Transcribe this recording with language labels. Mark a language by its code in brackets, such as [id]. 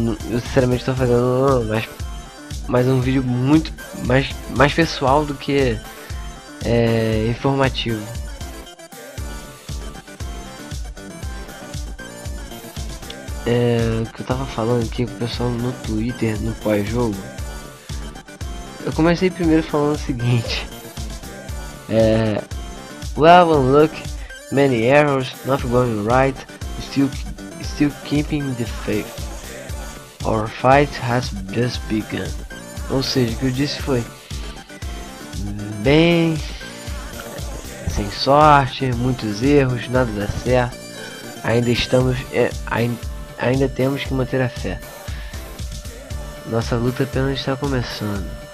[pt] Eu sinceramente estou fazendo mais um vídeo muito mais pessoal do que informativo. O que eu tava falando aqui com o pessoal no Twitter, no pós-jogo. Eu comecei primeiro falando o seguinte. [en] Well, look, many errors, not going right, still keeping the faith. Our fight has just begun. [pt] Ou seja, o que eu disse foi bem. Sem sorte, muitos erros, nada dá certo. Ainda temos que manter a fé. Nossa luta apenas está começando.